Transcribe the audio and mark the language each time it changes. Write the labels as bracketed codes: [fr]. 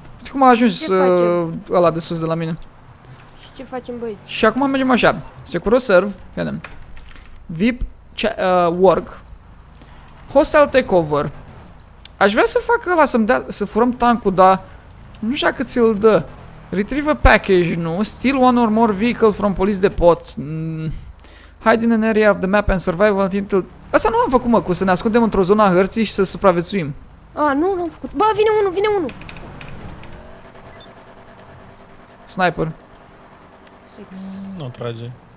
[ro] Cum a ajuns ăla de sus de la mine? Și ce facem, băieți? Și acum mergem așa. Secure serve, vedem. VIP work. Hostile takeover. Aș vrea să fac ăla să-mi dea, să furăm tankul, dar nu știu cât ți-l dă. [en] Retrieve a package, [ro] nu. [en] Steal one or more vehicle from police depot. Hide in an area of the map and survive until... [ro] Asta nu l-am făcut, mă, cu să ne ascundem într-o zonă a hărții și să supraviețuim. A, nu, nu am făcut. Bă, vine unul, vine unul. Sniper. Nu trage.